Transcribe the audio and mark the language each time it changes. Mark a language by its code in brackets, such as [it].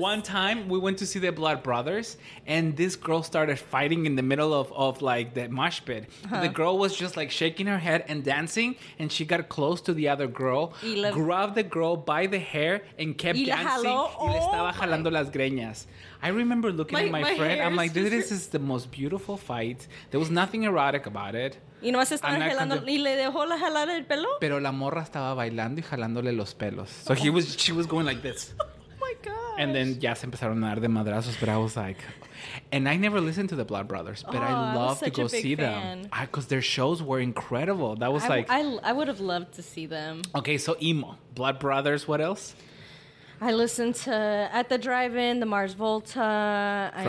[en] One time we went to see the Blood Brothers, and this girl started fighting in the middle of like the mosh pit. The girl was just like shaking her head and dancing, and she got close to the other girl, grabbed the girl by the hair and kept dancing. [es] Y le estaba jalando las greñas. [en] I remember looking at my friend. I'm like, this is the most beautiful fight. There was nothing erotic about it. [es] Y no se estaba jalando y le dejó la jalada el pelo. Pero la morra estaba bailando y jalándole los pelos. [en] So she was going like this. Oh my god. And then [es] ya se empezaron a dar de madrazos, [en] but I was like, and I never listened to the Blood Brothers, but I love to go see them. Because their shows were incredible. That was I would have loved to see them. Okay, so emo, Blood Brothers, what else? I listened to At the Drive-In, the Mars Volta.